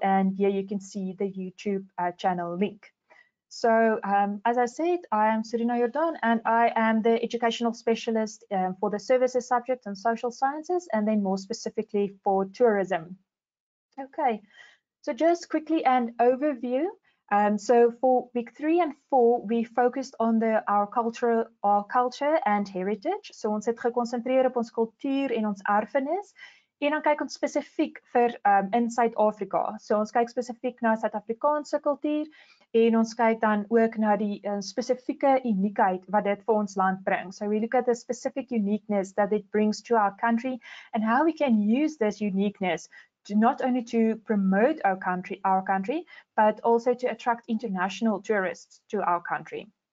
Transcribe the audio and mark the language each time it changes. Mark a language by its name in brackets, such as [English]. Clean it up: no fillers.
[English] And here you can see the YouTube channel link. So as I said, I am Serena Jordan, and I am the educational specialist for the services subject and social sciences, and then more specifically for tourism. Okay, so just quickly an overview. So for week 3 and 4, we focused on our culture and heritage. [Afrikaans] So ons het geconcentreer op ons cultuur en ons erfenis. En dan kyk ons spesifiek vir in Suid-Afrika. So ons kyk spesifiek na Suid-Afrikaanse kultuur. En ons kyk dan ook na die spesifieke uniekheid wat dit vir ons land bring. [English] So we look at the specific uniqueness that it brings to our country and how we can use this uniqueness to not only to promote our country, but also to attract international tourists to our country.